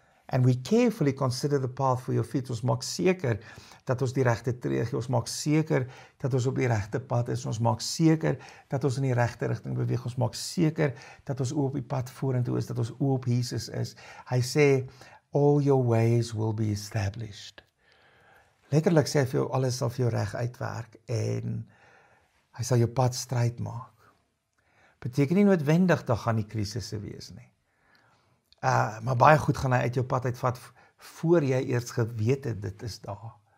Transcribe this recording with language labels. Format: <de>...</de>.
<en>And we carefully consider the path for your feet.</en> <af>Ons maak seker dat ons die regte tree gee. Ons maak seker dat ons op die regte pad is. Ons maak seker dat ons in die regte rigting beweeg. Ons maak seker dat ons oop op die pad vorentoe is, dat ons oop op Jesus is. Hy sê,</af> <en>all your ways will be established.</en> <af>Letterlik sê hy vir jou, alles sal vir jou reg uitwerk en hy sal jou pad stryd maak. Beteken nie noodwendig, dat gaan die krisisse wees nie. Maar baie goed gaan hy uit jou pad uitvat voor jy eers geweet het, dit is daar.</af>